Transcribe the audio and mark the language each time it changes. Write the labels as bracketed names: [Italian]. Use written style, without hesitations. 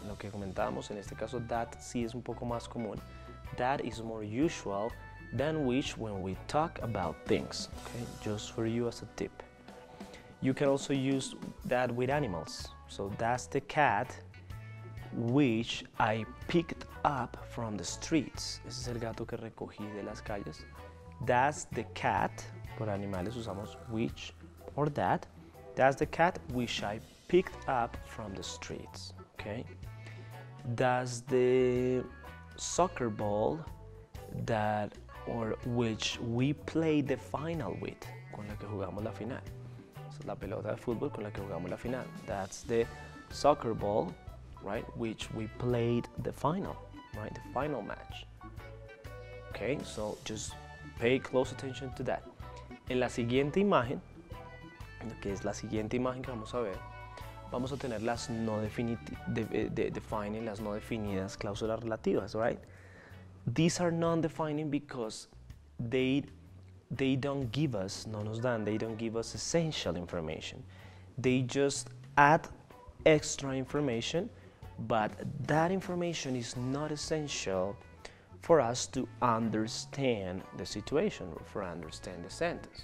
[Spanish] Lo que comentamos, en este caso, that sí es un poco más común. [English] That is more usual than which when we talk about things. Okay, just for you as a tip. You can also use that with animals. So that's the cat which I picked up from the streets. [Spanish] Ese es el gato que recogí de las calles. [English] That's the cat, [Spanish] por animales usamos [English] which or that. That's the cat which I picked up from the streets, okay? That's the soccer ball that or which we played the final with, [Spanish] con la que jugamos la final. La pelota de fútbol con la que jugamos la final. [English] That's the soccer ball, right? Which we played the final, right? The final match. Okay, so just pay close attention to that. [Spanish] En la siguiente imagen, que es la siguiente imagen que vamos a ver, vamos a tener las no defining, las no definidas cláusulas relativas, right? [English] These are non-defining because they don't give us essential information. They just add extra information, but that information is not essential for us to understand the situation or for understand the sentence.